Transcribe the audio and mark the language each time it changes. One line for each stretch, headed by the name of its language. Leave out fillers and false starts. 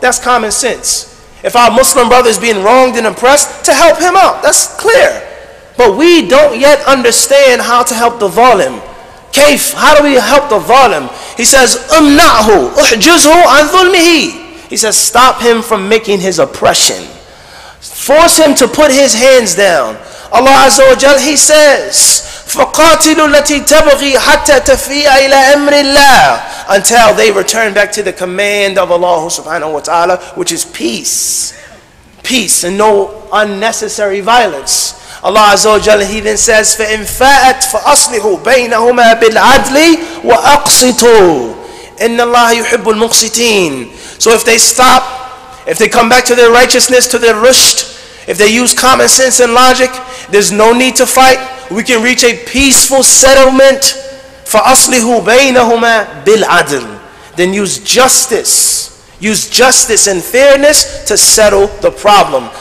English: That's common sense. If our Muslim brother is being wronged and oppressed, to help him out. That's clear. But we don't yet understand how to help the zalim. Kayf, how do we help the zalim? He says,
Arabic: umna'hu, uhjizhu an thulmihi.
English: He says, stop him from making his oppression. Force him to put his hands down.
Arabic: Allah Azza wa Jal,
English: He says,
Arabic: فَقَاتِلُوا الَّتِي تَبْغِي حَتَّى تَفِيَ إِلَىٰ أَمْرِ اللَّهِ.
English: Until they return back to the command of Allah subhanahu wa ta'ala, which is peace. Peace and no unnecessary violence.
Arabic: Allah Azza wa Jal,
English: He then says,
Arabic: فَإِنْ فَاءَتْ فَأَصْلِحُوا بَيْنَهُمَا بِالْعَدْلِ وَأَقْسِطُوا إِنَّ اللَّهَ يُحِبُّ الْمُقْسِطِينَ.
English: So if they stop, if they come back to their righteousness, to their rushd, if they use common sense and logic, there's no need to fight. We can reach a peaceful settlement.
Arabic: فَأَصْلِحُوا بَيْنَهُمَا بِالْعَدْلِ.
English: Then use justice. Use justice and fairness to settle the problem.